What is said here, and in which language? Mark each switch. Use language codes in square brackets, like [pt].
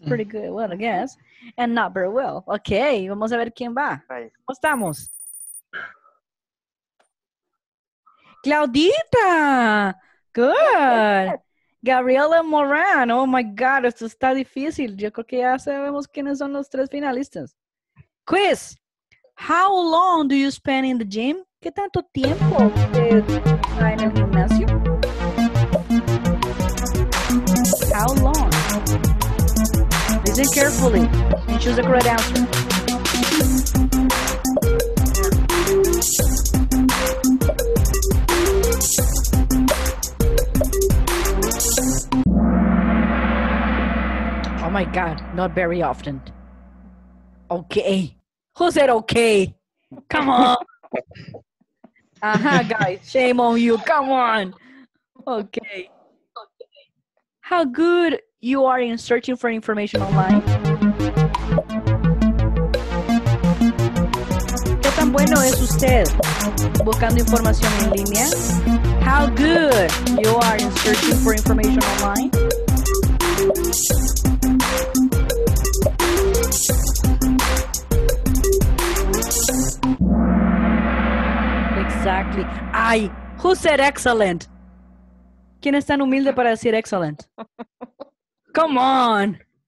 [en] Pretty good, well, I guess. And not very well. Okay, [es] vamos a ver quién va. ¿Cómo estamos? [en] Claudita, good. Gabriela Moran, oh my God, [es] esto está difícil. Yo creo que ya sabemos quiénes son los tres finalistas. [en] Quiz. How long do you spend in the gym? [es] ¿Qué tanto tiempo usted está en el gimnasio? [en] How long? Listen carefully and choose the correct answer. Oh my God, not very often. Okay. Who said okay? Come on. guys, shame on you. Come on. Okay. How good you are in searching for information online? [es] ¿Qué tan bueno es usted buscando información en línea? [en] How good you are in searching for information online? Thank you. [es] Ay, [en] who said excellent? [es] ¿Quién es tan humilde para decir excellent? [en] Come on.